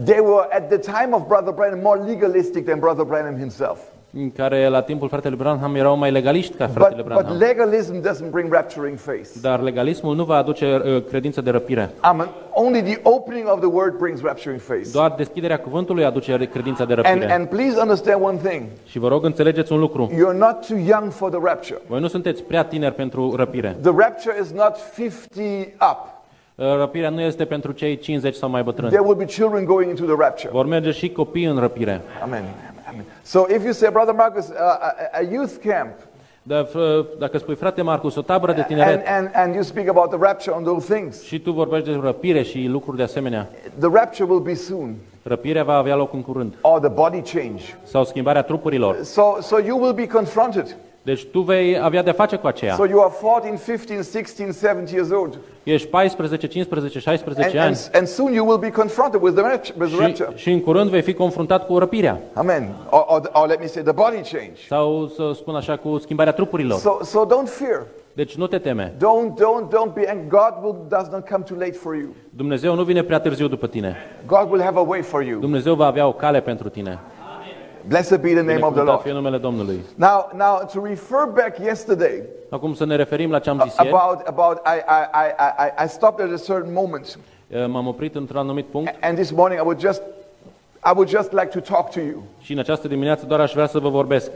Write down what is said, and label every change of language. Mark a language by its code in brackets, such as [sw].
[en] They were at the time of Brother Branham more legalistic than Brother Branham himself. [ro] În care la timpul fratele Branham erau mai legaliști ca fratele Branham. [en] But legalism doesn't bring rapturing faith. [ro] Dar legalismul nu va aduce credința de răpire. [en] Amen. Only the opening of the word brings rapturing faith. [ro] Doar deschiderea cuvântului aduce credința de răpire. [en] And please understand one thing. [ro] Și vă rog înțelegeți un lucru. [en] You're not too young for the rapture. [ro] Voi nu sunteți prea tineri pentru răpire. [en] The rapture is not 50 up. [ro] Răpirea nu este pentru cei 50 sau mai bătrâni. [en] There will be children going into the rapture. [ro] Vor merge și copii în răpire. [en] Amen. So if you say, Brother Marcus, a youth camp, [ro] dacă spui, frate Marcus, o tabără de tineret, [en] and you speak about the rapture and all things, [ro] și tu vorbești de răpire și lucruri de asemenea, [en] the rapture will be soon. [ro] Răpirea va avea loc în curând. [en] Or the body change. [ro] Sau schimbarea trupurilor. [en] So you will be confronted. [ro] Deci tu vei avea de face cu aceea. [en] So you are 14, 15, 16, 17 years old. [ro] Ești 14, 15, 16 ani. [en] And soon you will be confronted with the rapture. [ro] Și în curând vei fi confruntat cu răpirea. [en] Amen. Or let me say the body change. [ro] Sau să spun așa, cu schimbarea trupurilor. [en] So don't fear. [ro] Deci nu te teme. [en] Don't be angry. God does not come too late for you. [ro] Dumnezeu nu vine prea târziu după tine. [en] God will have a way for you. [ro] Dumnezeu va avea o cale pentru tine. [en] Blessed be the name of the Lord. Now to refer back yesterday. [ro] Acum să ne referim la ce am zis ieri. [en] About I stopped at a certain moment. [ro] M-am oprit într-un anumit punct. [en] And this morning I would just like to talk to you. [ro] Și în această dimineață doar aș vrea să vă vorbesc.